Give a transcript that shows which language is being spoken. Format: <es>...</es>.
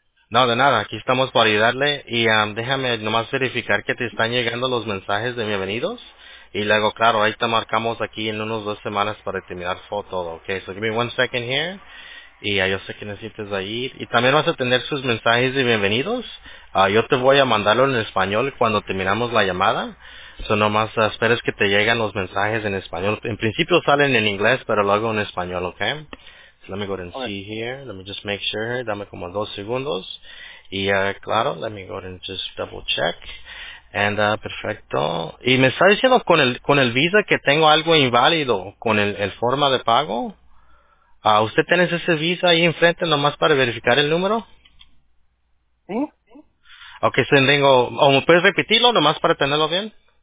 <es>No, de nada, aquí estamos para ayudarle y déjame nomás verificar que te están llegando los mensajes de bienvenidos y luego, claro, ahí te marcamos aquí en unas 2 semanas para terminar todo, okay,</es> <en>so give me 1 second here</en> <es>y ya yo sé que necesitas ahí y también vas a tener sus mensajes de bienvenidos, yo te voy a mandarlo en español cuando terminamos la llamada, so nomás esperes que te lleguen los mensajes en español, en principio salen en inglés pero luego en español, okay.</es> <en>Let me go ahead and Okay. see here. Let me just make sure.</en> <es>Dame como 2 segundos. Y claro,</es> <en>let me go ahead and just double check. And perfecto.</en> <es>Y me está diciendo con el Visa que tengo algo inválido con el forma de pago. ¿Usted tiene ese Visa ahí enfrente nomás para verificar el número? ¿Sí? Okay, so tengo. ¿O me puedes repetirlo nomás para tenerlo bien?</es>